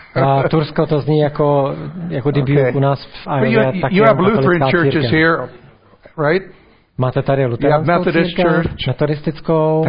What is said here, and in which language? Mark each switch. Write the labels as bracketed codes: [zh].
[cs] A Tursko to zní jako Dubuque okay. U nás v Iowě. [en] You have Lutheran churches here, right? [cs] Máte tady luteránskou církev, metodistickou,